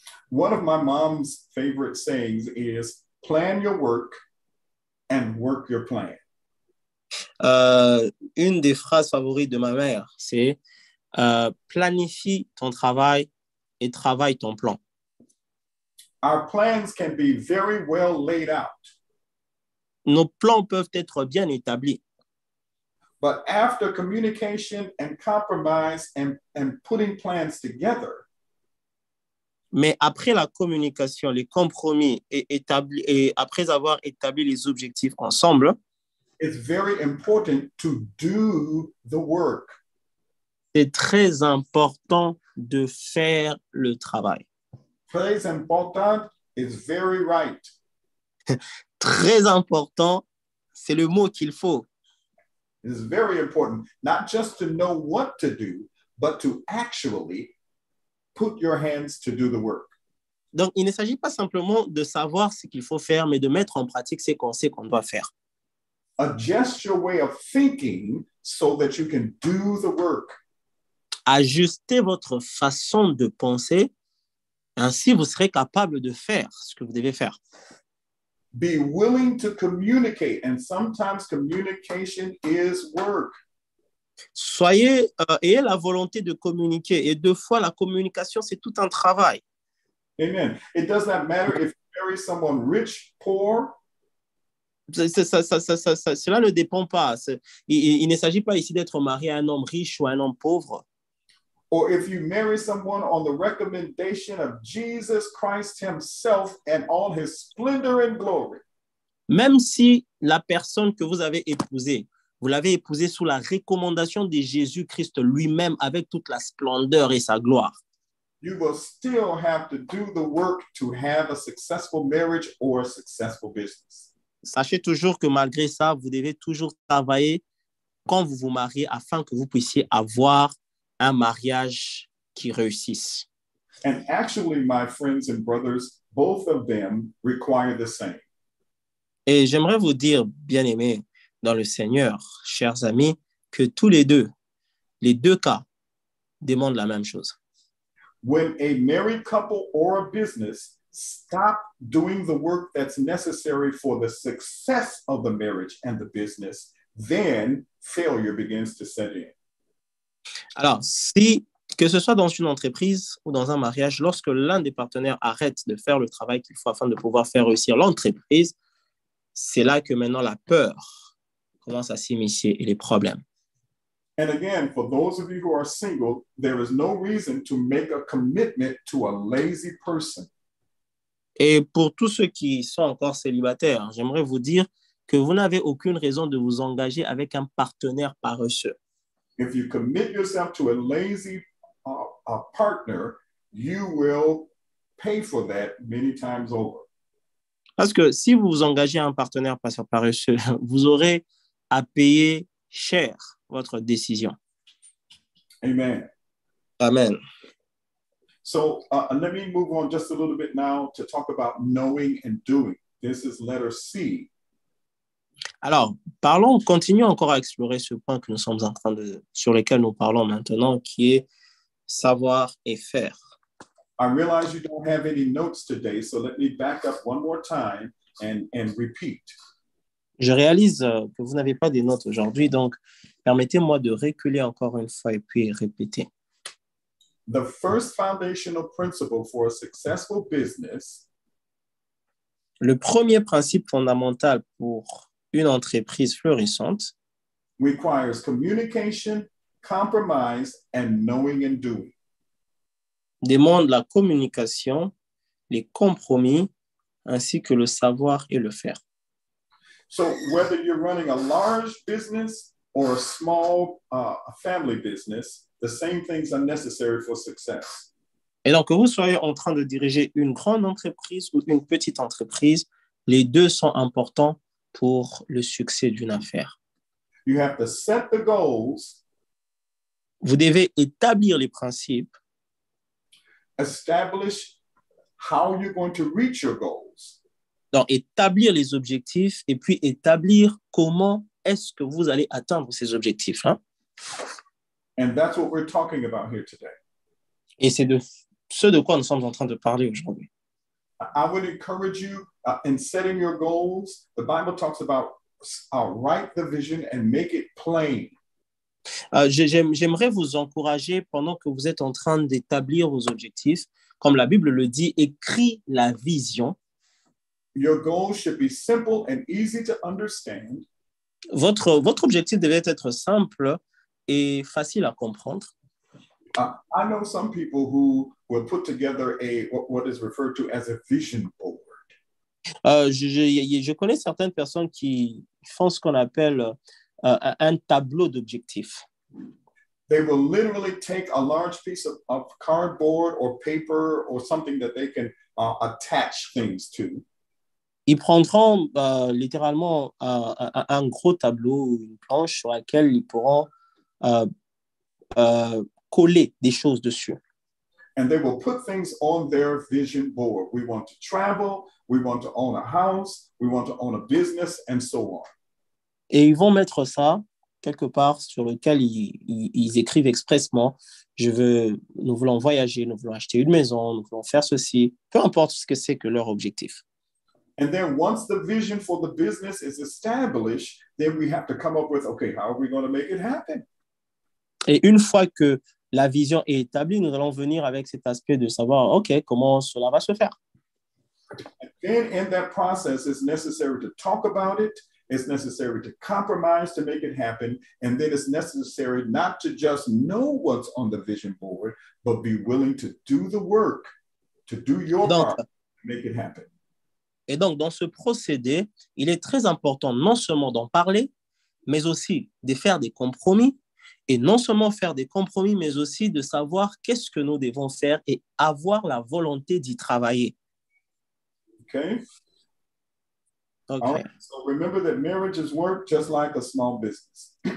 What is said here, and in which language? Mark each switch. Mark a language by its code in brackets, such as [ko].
[en] One of my mom's favorite sayings is, plan your work and work your plan. [fr] Une des phrases favorites de ma mère, c'est planifie ton travail et travaille ton plan. [en] Our plans can be very well laid out. [fr] Nos plans peuvent être bien établis. [en] But after communication and compromise and putting plans together, [fr] mais après la communication, les compromis et après avoir établi les objectifs ensemble, [en] it's very important to do the work. [fr] C'est très important de faire le travail. Très important [en] is very right. [fr] Très important, c'est le mot qu'il faut. [en] It's very important, not just to know what to do, but to actually put your hands to do the work. [fr] Donc, il ne s'agit pas simplement de savoir ce qu'il faut faire, mais de mettre en pratique ce qu'on sait qu'on doit faire. [en] Adjust your way of thinking so that you can do the work. [fr] Ajustez votre façon de penser, ainsi vous serez capable de faire ce que vous devez faire. [en] Be willing to communicate, and sometimes communication is work. [fr] Soyez, ayez la volonté de communiquer, et deux fois la communication, c'est tout un travail. [en] Amen. It does not matter if you marry someone rich, poor. [fr] Cela ne dépend pas. Il ne s'agit pas ici d'être marié à un homme riche ou à un homme pauvre. [en] Or if you marry someone on the recommendation of Jesus Christ himself and all his splendor and glory. [fr] Même si la personne que vous avez épousée, vous l'avez épousée sous la recommandation de Jésus-Christ lui-même avec toute la splendeur et sa gloire. [en] You will still have to do the work to have a successful marriage or a successful business. [fr] Sachez toujours que malgré ça, vous devez toujours travailler quand vous vous mariez afin que vous puissiez avoir un mariage qui réussisse. [en] And actually, my friends and brothers, both of them require the same. [fr] Et j'aimerais vous dire, bien-aimés dans le Seigneur, chers amis, que tous les deux cas, demandent la même chose. [en] When a married couple or a business stop doing the work that's necessary for the success of the marriage and the business, then failure begins to set in. [fr] Alors, si, que ce soit dans une entreprise ou dans un mariage, lorsque l'un des partenaires arrête de faire le travail qu'il faut afin de pouvoir faire réussir l'entreprise, c'est là que maintenant la peur commence à s'immiscer et les problèmes. [en] And again, for those of you who are single, there is no reason to make a commitment to a lazy person. [fr] Et pour tous ceux qui sont encore célibataires, j'aimerais vous dire que vous n'avez aucune raison de vous engager avec un partenaire paresseux. [en] If you commit yourself to a lazy a partner, you will pay for that many times over. [fr] Parce que si vous vous engagez à un partenaire paresseux, vous aurez à payer cher votre décision. Amen. Amen. [en] So, let me move on just a little bit now to talk about knowing and doing. This is letter C. [fr] Alors, parlons, continuons encore à explorer ce point que nous sommes en train de, sur lequel nous parlons maintenant, qui est savoir et faire. [en] I realize you don't have any notes today, so let me back up one more time and repeat. [fr] Je réalise que vous n'avez pas des notes aujourd'hui, donc permettez-moi de reculer encore une fois et puis répéter. [en] The first foundational principle for a successful business. [fr] Le premier principe fondamental pour une entreprise florissante [en] requires communication, compromise, and knowing and doing. [fr] Demande la communication, les compromis, ainsi que le savoir et le faire. [en] So whether you're running a large business or a small family business, the same things are necessary for success. [fr] Et donc, que vous soyez en train de diriger une grande entreprise ou une petite entreprise, les deux sont importants pour le succès d'une affaire. [en] You have to set the goals. [fr] Vous devez établir les principes. [en] Establish how you're going to reach your goals. [fr] Donc, établir les objectifs et puis établir comment est-ce que vous allez atteindre ces objectifs. Hein? [en] And that's what we're talking about here today. [fr] Et c'est de ce de quoi nous sommes en train de parler aujourd'hui. [en] I would encourage you in setting your goals. The Bible talks about write the vision and make it plain. [fr] J'aimerais vous encourager pendant que vous êtes en train d'établir vos objectifs, comme la Bible le dit, écris la vision. [en] Your goal should be simple and easy to understand. [fr] Votre objectif devait être simple et facile à comprendre. [en] I know some people who will put together what is referred to as a vision board. [fr] Je connais certaines personnes qui font ce qu'on appelle un tableau d'objectifs. [en] They will literally take a large piece of cardboard or paper or something that they can attach things to. [fr] Ils prendront littéralement un gros tableau ou une planche sur laquelle ils pourront coller des choses dessus. [en] And they will put things on their vision board. We want to travel, we want to own a house, we want to own a business, and so on. [fr] Et ils vont mettre ça quelque part sur lequel ils écrivent expressément, nous voulons voyager, nous voulons acheter une maison, nous voulons faire ceci, peu importe ce que c'est que leur objectif. [en] And then once the vision for the business is established, then we have to come up with, okay, how are we going to make it happen? [fr] Et une fois que la vision est établie, nous allons venir avec cet aspect de savoir, okay, comment cela va se faire? [en] And then in that process, it's necessary to talk about it, it's necessary to compromise to make it happen, and then it's necessary not to just know what's on the vision board, but be willing to do the work, to do your part to make it happen. [fr] Et donc, dans ce procédé, il est très important non seulement d'en parler, mais aussi de faire des compromis. Et non seulement faire des compromis, mais aussi de savoir qu'est-ce que nous devons faire et avoir la volonté d'y travailler. [en] OK. Right. So remember that marriage is work just like a small business.